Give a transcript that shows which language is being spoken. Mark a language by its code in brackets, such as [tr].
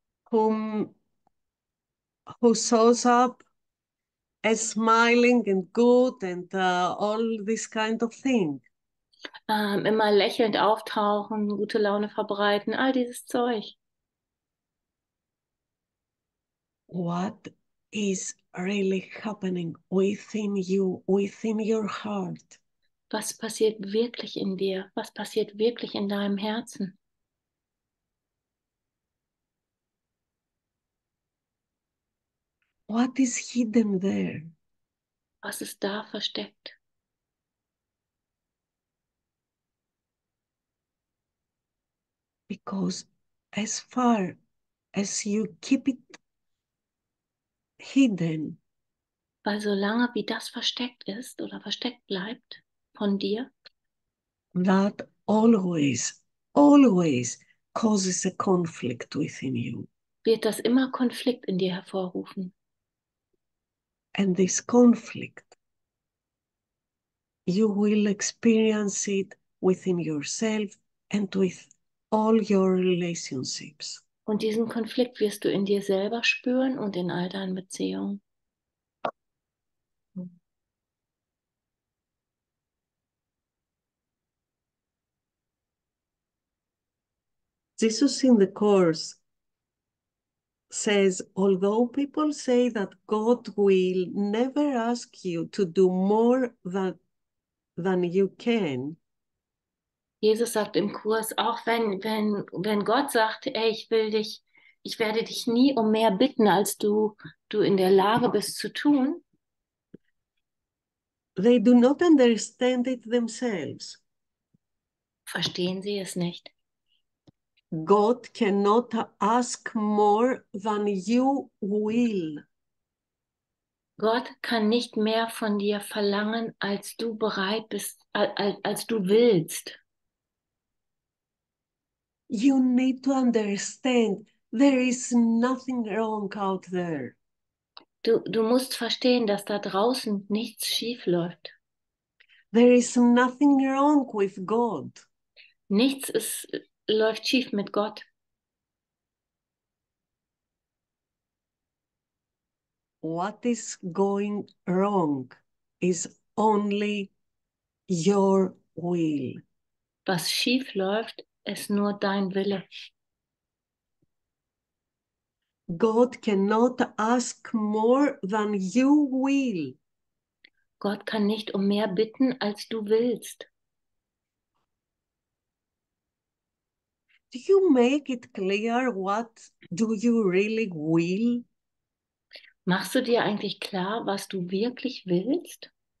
[en] who shows up as smiling and good and all this kind of thing. [de] Immer lächelnd auftauchen, gute Laune verbreiten, all dieses Zeug. [en] What is really happening within you, within your heart? [de] Was passiert wirklich in dir? Was passiert wirklich in deinem Herzen? [en] What is hidden there? [de] Was ist da versteckt? [en] Because as far as you keep it hidden, [de] Weil solange wie das versteckt ist oder versteckt bleibt von dir, [en] that always, always causes a conflict within you. [de] wird das immer Konflikt in dir hervorrufen. [en] And this conflict, you will experience it within yourself and with all your relationships. [de] Und diesen Konflikt wirst du in dir selber spüren und in all deinen Beziehungen. [en] Jesus in the Course says, although people say that God will never ask you to do more than you can. [de] Jesus sagt im Kurs, auch wenn Gott sagt, ey, ich werde dich nie um mehr bitten, als du in der Lage bist zu tun. [en] They do not understand it themselves. [de] Verstehen sie es nicht? [en] God cannot ask more than you will. [de] Gott kann nicht mehr von dir verlangen, als du bereit bist, als du willst. [en] You need to understand there is nothing wrong out there. [de] Du musst verstehen, dass da draußen nichts schief läuft. [en] There is nothing wrong with God. [de] Nichts läuft schief mit Gott. [en] What is going wrong is only your will. [de] Was schief läuft, ist nur dein Wille. [en] God cannot ask more than you will. [de] Gott kann nicht um mehr bitten, als du willst. [en] Do you make it clear what do you really will? [de] Machst du dir eigentlich klar, was du wirklich willst?